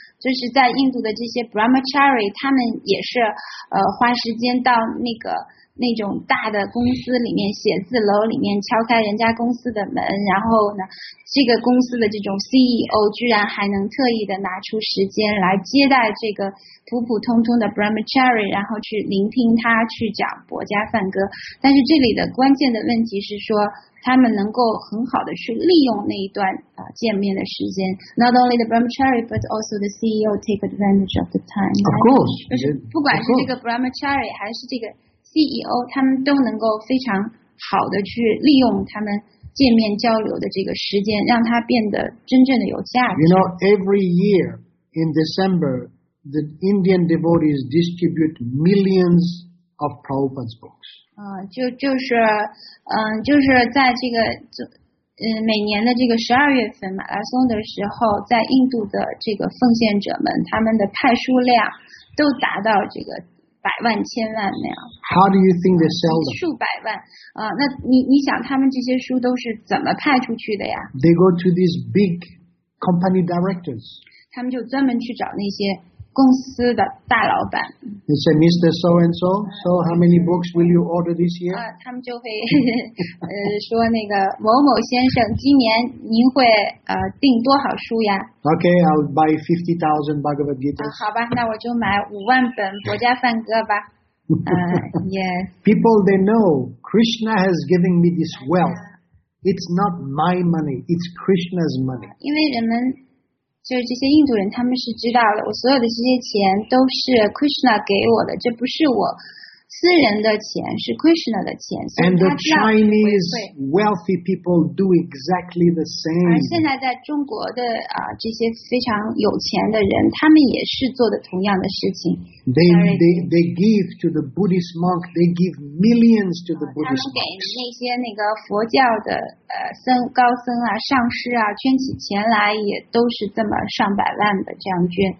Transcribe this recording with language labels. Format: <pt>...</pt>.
<zh>就是在印度的这些 brahmachari， 他们也是花时间到那种大的公司里面写字楼里面敲开人家公司的门，然后呢，这个公司的这种 CEO 居然还能特意的拿出时间来接待这个普普通通的 brahmachari， 然后去聆听他去讲博家梵歌。但是这里的关键的问题是说，他们能够很好的去利用那一段见面的时间。</zh> <en>Not only the brahmachari, but also the CEO take advantage of the time. Of course,</en> <zh>不管是这个 brahmachari 还是这个。 CEO 他们都能够非常好的去利用他们见面交流的这个时间，让它变得真正的有价值。</zh> <en>You know, every year in December, the Indian devotees distribute millions of Prabhupada's books.</en> <zh>每年的这个十二月份马拉松的时候，在印度的这个奉献者们，他们的派书量都达到这个百万千万那样。</zh> <en>How do you think they sell them?</en> <zh>数百万啊！那你想他们这些书都是怎么派出去的呀</zh> <en>？They go to these big company directors.</en> <zh>他们就专门去找那些公司的大老板。</zh> <en>They say, Mr. So and So, so how many books will you order this year?</en> <zh>他们就会说那个某某先生，今年您会订多少书呀</zh> <en>？Okay, I'll buy 50,000 Bhagavad Gita.</en> <zh>好吧，那我就买五万本《国家梵歌》吧。</zh> <en>yes. People, they know Krishna has given me this wealth. It's not my money. It's Krishna's money.</en> <zh>因为人们就是这些印度人，他们是知道的，我所有的这些钱都是 Krishna 给我的，这不是我私人的钱，是 Krishna 的钱。</zh> <en>And the Chinese wealthy people do exactly the same.</en> <zh>而现在在中国的这些非常有钱的人，他们也是做的同样的事情。</zh> <en>They give to the Buddhist monk. They give millions to the Buddhist monk.</en> <zh>他们给那些那个佛教的高僧啊、上师啊，捐起钱来也都是这么上百万的这样捐。</zh>